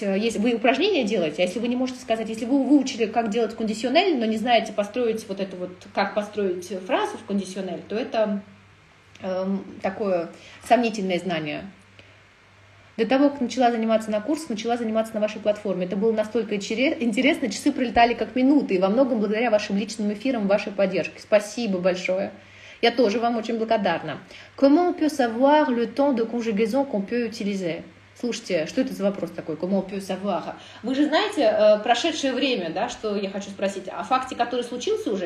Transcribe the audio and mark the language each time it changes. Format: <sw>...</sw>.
<ru>Если вы упражнения делаете, а если вы не можете сказать, если вы выучили, как делать кондиционель, но не знаете построить вот это вот, как построить фразу в кондиционель, то это такое сомнительное знание. До того, как начала заниматься на курс, начала заниматься на вашей платформе. Это было настолько интересно, часы пролетали как минуты, и во многом благодаря вашим личным эфирам, вашей поддержке. Спасибо большое. Я тоже вам очень благодарна.</ru> <fr>Comment on peut savoir le temps de conjugaison qu'on peut utiliser?</fr> <ru>Слушайте, что это за вопрос такой?</ru> <fr>Comment on peut savoir?</fr> <ru>Вы же знаете прошедшее время, да, что я хочу спросить. О факте, который случился уже?</ru>